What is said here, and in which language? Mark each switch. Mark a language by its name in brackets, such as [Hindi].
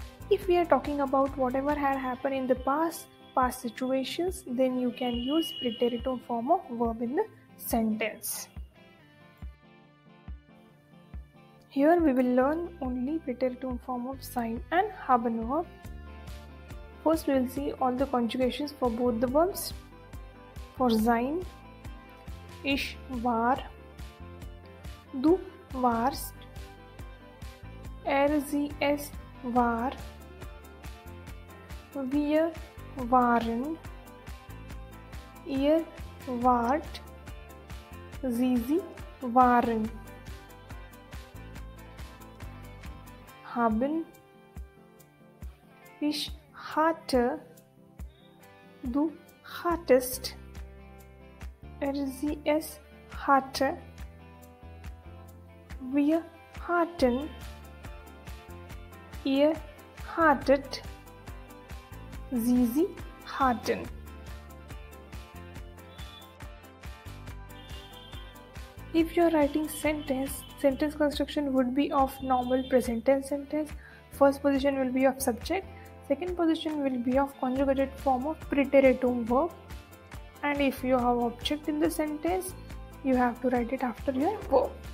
[English] If we are talking about whatever had happened in the past situations, then you can use preteritum form of verb in the sentence. Here we will learn only preteritum form of sein and haben verb. First we will see all the conjugations for both the verbs. [German] For sein, ich war, du warst, sie es war, wir waren, ihr wart, sie waren. Haben, ich hatte, du hattest, sie es hatte, wir hatten, ihr hattet, sie hatten. [English] If you are writing sentence construction would be of normal present tense sentence. First position will be of subject. Second position will be of conjugated form of preteritum verb. And if you have object in the sentence, you have to write it after your verb.